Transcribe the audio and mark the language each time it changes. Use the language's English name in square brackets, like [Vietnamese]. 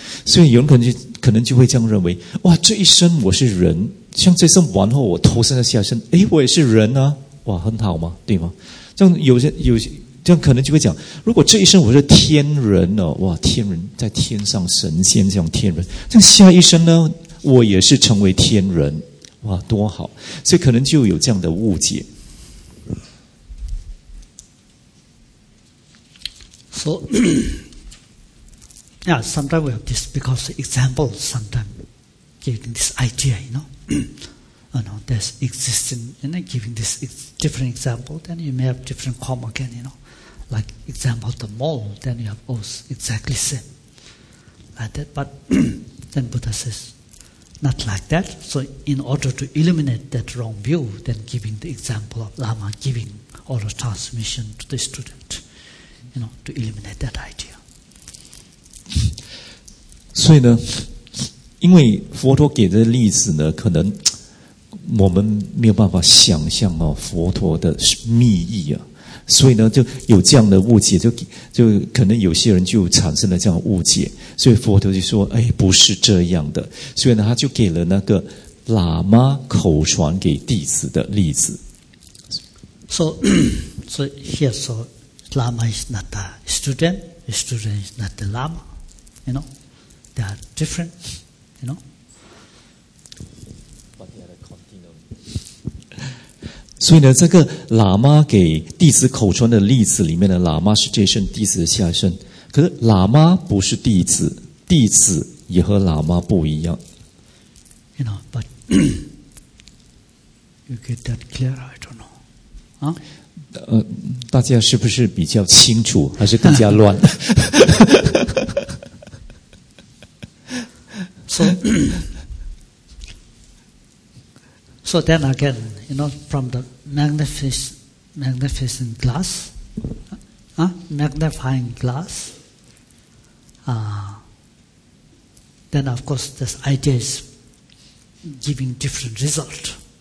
[Chinese] 所以有人可能就会这样认为：哇，这一生我是人，像这一生完后我投生在下一生，哎，我也是人啊，哇，很好吗？对吗？这样有些。这样可能就会讲，如果这一生我是天人呢、哦？哇，天人在天上神仙这样天人，这样下一生呢，我也是成为天人，哇，多好！所以可能就有这样的误解。 [English] So, yeah, sometimes we have this because example. Sometimes giving this idea, you know, know there's existing, and then giving this different example, then you may have different come again, you know. Like example of the mole, then you have both exactly same like that. But then Buddha says, not like that. So in order to eliminate that wrong view, then giving the example of Lama giving all the transmission to the student, you know, to eliminate that idea. [Chinese] 所以呢，因为佛陀给的例子呢，可能我们没有办法想象哦，佛陀的密意啊。所以呢就有这样的误解，就可能有些人就产生了这样的误解，所以佛陀就说哎，不是这样的，所以呢他就给了那个喇嘛口传给弟子的例子。 [English] So, so here, so Lama is not a student, a student is not the Lama, you know, they are different, you know. But they are a continuum. [Chinese] 所以呢，这个喇嘛给弟子口传的例子里面的喇嘛是这身弟子的下身，可是喇嘛不是弟子，弟子也和喇嘛不一样。 [English] You know, but you get that clear? I don't know. Huh? [Chinese] 大家是不是比较清楚，还是更加乱 [English] ？So, so then again, you know, from the magnificent glass, magnifying glass, then of course this idea is giving different result.